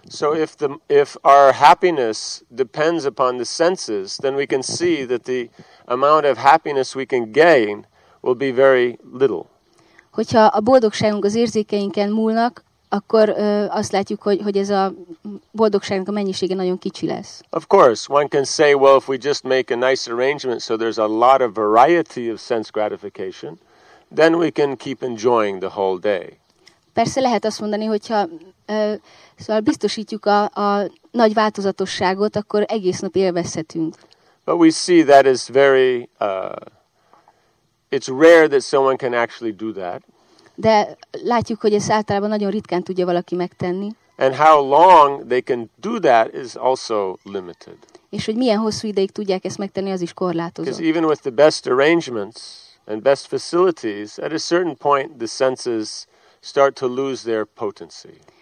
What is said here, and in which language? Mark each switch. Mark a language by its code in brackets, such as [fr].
[en] So if our happiness depends upon the senses, then we can see that the amount of happiness we can gain will be very little. [hu] Hogyha a boldogságunk az érzékeinken múlnak, akkor azt látjuk, hogy ez a boldogságnak a mennyisége nagyon kicsi lesz. [en] Of course, one can say, well, if we just make a nice arrangement so there's a lot of variety of sense gratification, then we can keep enjoying the whole day. [hu] persze lehet azt mondani, hogyha szóval biztosítjuk a nagy változatosságot, akkor egész nap élvezhetünk. [en] But we see that is very it's rare that someone can actually do that. [hu] De látjuk, hogy ezt általában nagyon ritkán tudja valaki megtenni. [en] And how long they can do that is also limited. [hu] És hogy milyen hosszú ideig tudják ezt megtenni, az is korlátozott. [en] Because even with the best arrangements and best facilities, at a certain point the senses start to lose their potency.